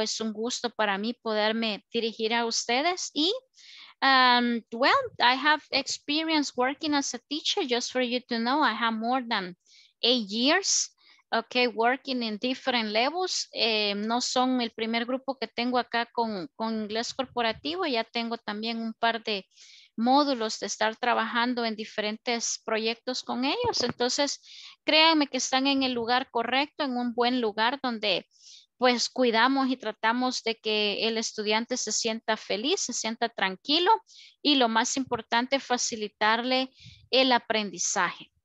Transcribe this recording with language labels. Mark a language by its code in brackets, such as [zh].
[es] Es un gusto para mí poderme dirigir a ustedes. [en] Y, I have experience working as a teacher. Just for you to know, I have more than 8 years. Okay, working in different levels. [es] No son el primer grupo que tengo acá con inglés corporativo. Ya tengo también un par de módulos de estar trabajando en diferentes proyectos con ellos. Entonces, créanme que están en el lugar correcto, en un buen lugar donde pues cuidamos y tratamos de que el estudiante se sienta feliz, se sienta tranquilo y lo más importante, facilitarle el aprendizaje.